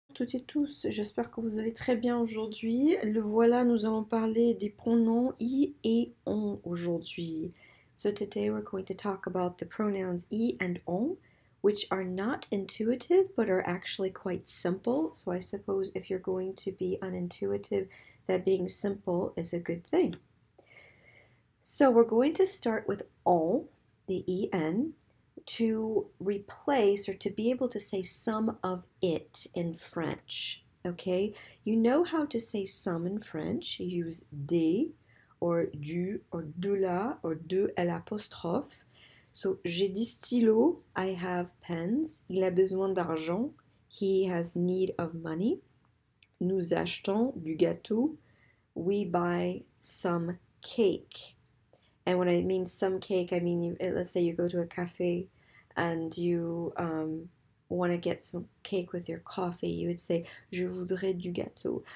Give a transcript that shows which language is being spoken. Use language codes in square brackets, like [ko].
[fr] Toutes et tous, j'espère que vous allez très bien aujourd'hui. Le voilà, nous allons parler des pronoms i et on aujourd'hui. [en] So today we're going to talk about the pronouns i and on, which are not intuitive but are actually quite simple. So I suppose if you're going to be unintuitive, that being simple is a good thing. So we're going to start with on, the en. To replace or to be able to say some of it in French. Okay, you know how to say some in French. You use des or du or de la or de l'apostrophe. [fr] So, j'ai des stylos, [en] I have pens. [fr] Il a besoin d'argent, [en] he has need of money. [fr] Nous achetons du gâteau, [en] we buy some cake. And when I mean some cake, I mean, let's say you go to a cafe. And you want to get some cake with your coffee, you would say, [fr] je voudrais du gâteau.